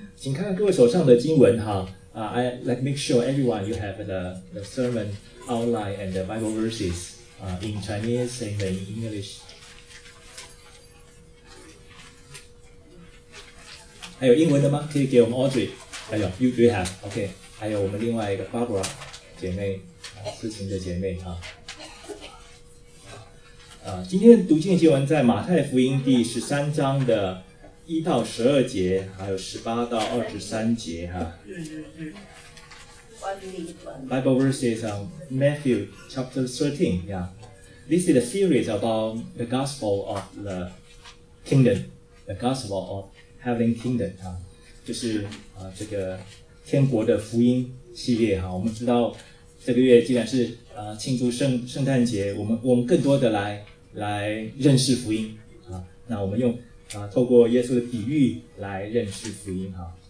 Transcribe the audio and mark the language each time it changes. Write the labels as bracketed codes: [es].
[zh] 请看各位手上的经文哈。 [en] I like make sure everyone you have the sermon outline and the Bible verses in Chinese and in English. [zh] 还有英文的吗？可以给我们 Audrey。 [en] 还有 you do have OK。 [zh] 还有我们另外一个 Barbara 姐妹，思晴的姐妹哈。今天读经的经文在马太福音第十三章的一到十二节，还有十八到二十三节哈。 [en] Bible verses on Matthew chapter 13. Yeah, this is a series about the gospel of the kingdom, the gospel of heavenly kingdom. [zh] 哈，就是这个天国的福音系列哈。我们知道这个月既然是庆祝圣诞节，我们更多的来认识福音啊。那我们用透过耶稣的比喻来认识福音哈。